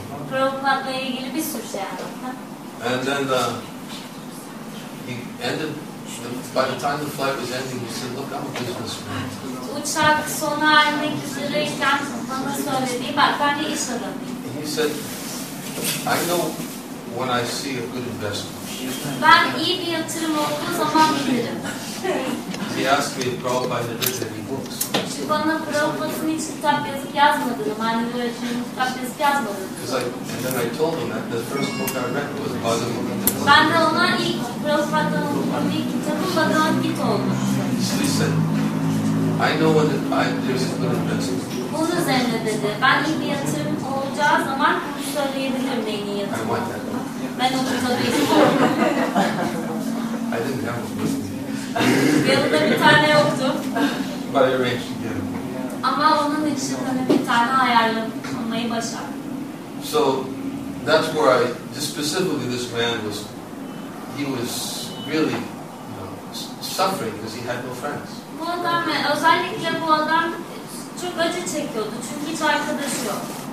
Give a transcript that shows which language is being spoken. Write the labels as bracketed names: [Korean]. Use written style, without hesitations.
[Turkish] Prabhupada ile ilgili bir sürü şey anlattım. [English] And then he ended. By the time the flight was ending, he said, look, I'm a businessman. [Turkish] Uçak sona ermek üzereyken bana söylediği, bak ben de iş adamıyım. [English] He said, I know when I see a good investment. [Turkish] Ben iyi bir yatırım olduğu zaman bilirim. [English] He asked me if Prabhupada did any books. [Turkish] Çünkü bana Prabhupada'nın hiç kitap yazıp yazmadığını, aynı böyle çünkü kitap yazıp yazmadığını. [English] And then I told him that the first book I read was Bhagavad Gita. [Turkish] Ben de ona ilk Prabhupada'nın okuduğum ilk kitabı Bhagavad Gita oldu. [English] So he said, I know when there's a good investment. [Turkish] Bunun üzerine dedi, ben iyi bir yatırım olacağı zaman bunu söyleyebilirim neyin iyi yatırım. Ben o kitabı istiyorum. [English] I didn't have a book. [Turkish] Yanında bir tane yoktu. [English] But I arranged to get him. [Turkish] Ama onun için hani bir tane ayarladım, almayı başardım. [English] So that's where I, just specifically this man was, he was really, you know, suffering because he had no friends. [Turkish] Bu adam, özellikle bu adam çok acı çekiyordu çünkü hiç arkadaşı yok.